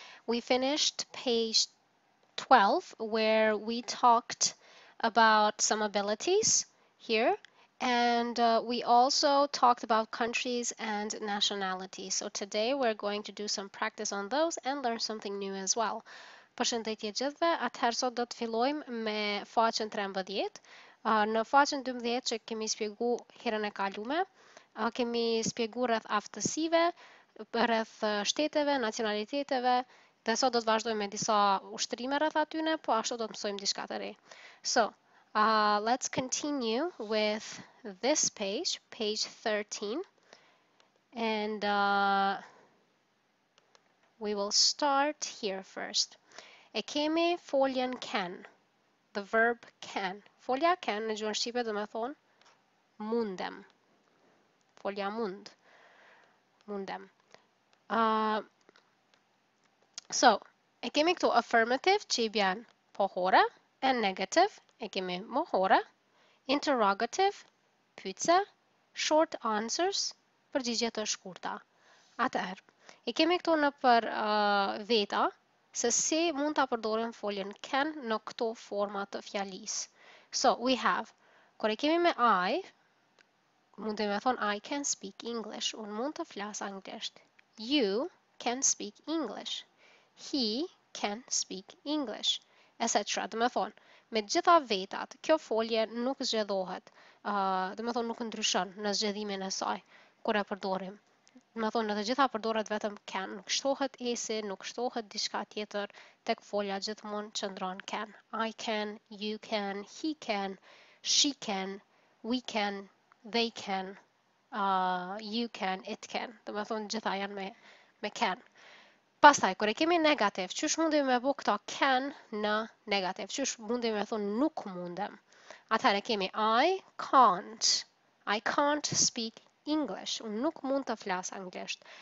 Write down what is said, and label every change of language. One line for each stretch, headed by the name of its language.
English: We finished page 12 where we talked about some abilities here, and we also talked about countries and nationalities. So today we're going to do some practice on those and learn something new as well.
Albanian: Përshëndetje gjithve, atëherë sot do të fillojmë me faqen 13. Në faqen 12 që kemi spjegu herën e kalume, kemi spjegu rreth aftësive, rreth shteteve, nacionaliteteve, dhe sot do të vazhdojmë me disa ushtrime rreth atyne, po ashtu do të mësojmë diçka të re.
English: So, let's continue with this page, page 13, and we will start here first.
Albanian: E kemi foljen can,
English: the verb can.
Albanian: Folja can në gjuhën shqipe do me thonë mundem. Folja mund. Mundem. So, e kemi këtu affirmative që i bjen pohore, and negative, e kemi mohore, interrogative, pyetje,
English: short answers,
Albanian: përgjigje të shkurta. Atëherë, e kemi këtu në për veta, se si mund ta përdorim foljen can në këto forma të fjalisë.
English: So, we have,
Albanian: kur e kemi me I, mund të me thonë
English: I can speak English,
Albanian: un mund të flas anglisht.
English: You can speak English. He can speak English, etc.
Albanian: Dhe me thonë, me gjitha vetat, kjo folje nuk zgjedhohet, dhe me thonë nuk ndryshon në zgjedhimin e saj, kur e përdorim. Dhe me thonë, në të gjitha përdoret vetëm can, nuk shtohet esi, nuk shtohet diçka tjetër, tek folja gjithmonë qëndron can.
English: I can, you can, he can, we can, they can, you can, it can.
Albanian: Dhe me thonë, gjitha janë me can. Pastaj, kur e kemi negativ, qysh mundi me bu këto can në negativ? Qysh mundi me thonë nuk mundem? Atëherë kemi
English: I can't speak English,
Albanian: unë nuk mund të flas anglisht.